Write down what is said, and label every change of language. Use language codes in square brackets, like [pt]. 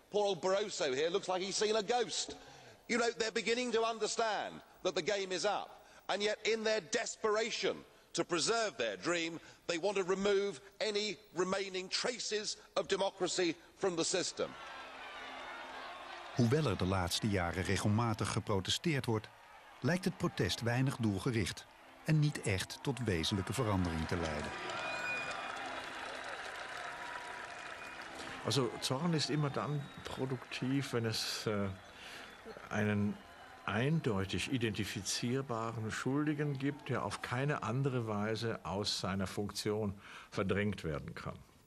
[en] Poor old Barroso here looks like he's seen a ghost. You know, they're beginning to understand that the game is up. And yet, in their desperation to preserve their dream, they want to remove any remaining traces of democracy from the system. [nl] Hoewel er de laatste jaren regelmatig geprotesteerd wordt, lijkt het protest weinig doelgericht en niet echt tot wezenlijke verandering te leiden. [de] Also, Zorn is immer dan productief, wenn es einen eindeutig identifizierbaren Schuldigen gibt, der auf keine andere Weise aus seiner Funktion verdrängt werden kann.